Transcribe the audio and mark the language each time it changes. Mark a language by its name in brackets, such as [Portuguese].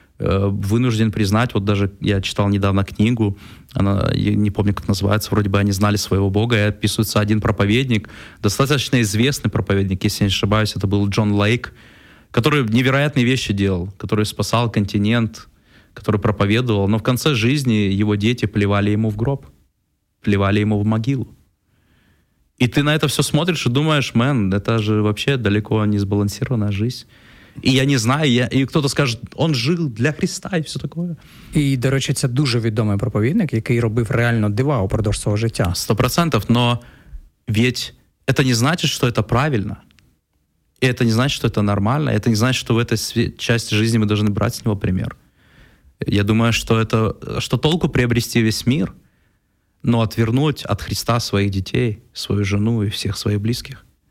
[Russian] вынужден признать, вот даже я читал недавно книгу, она, я не помню, как называется, вроде бы «Они знали своего Бога», и описывается один проповедник, достаточно известный проповедник, если не ошибаюсь, это был Джон Лейк, который невероятные вещи делал, который спасал континент, который проповедовал, но в конце жизни его дети плевали ему в гроб, плевали ему в могилу. И ты на это все смотришь и думаешь, мэн, это же вообще далеко не сбалансированная жизнь. [Ukrainian] І я не знаю, і хтось скаже, він жив для Христа і все таке. І, до речі, це дуже відомий проповідник, який робив реально дива упродовж свого життя. [Russian] 100%, но ведь это не значит, что это правильно. И это не значит, что это нормально. Это не значит, что в этой части жизни мы должны брать с него пример. Я думаю, что это что толку приобрести весь мир, но отвернуть от Христа своих детей, свою жену и всех своих близких.